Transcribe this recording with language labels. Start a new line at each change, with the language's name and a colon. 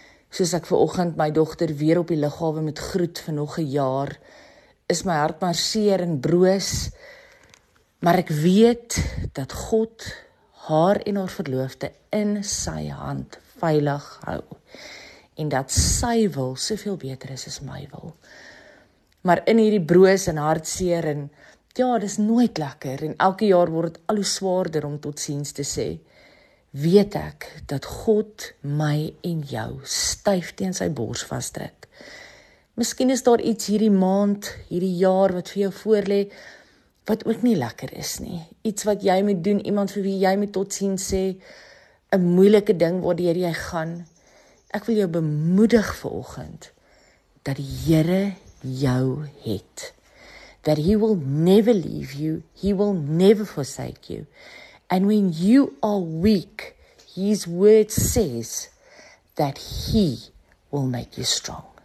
Afrikaans: Soos ek vanoggend my dogter weer op die lughawe moet groet vir nog 'n jaar, is my hart maar seer en broos. Maar ek weet dat God haar en haar verloofde in sy hand veilig hou. En dat sy wil soveel beter is as my wil. Maar in hierdie broos en hartseer en ja, dis nooit lekker. En elke jaar word het al hoe swaarder om tot ziens te sê. Weet ek dat God my en jou styf teen sy bors vasdruk. Miskien is daar iets hierdie maand, hierdie jaar wat vir jou voorlê, wat ook nie lekker is nie. Iets wat jy moet doen, iemand vir wie jy moet totsien sê, 'n moeilike ding waardeur jy gaan. Ek wil jou bemoedig vanoggend, dat die Here jou het.
English: That He will never leave you, He will never forsake you. And when you are weak, His word says, that He will make you strong.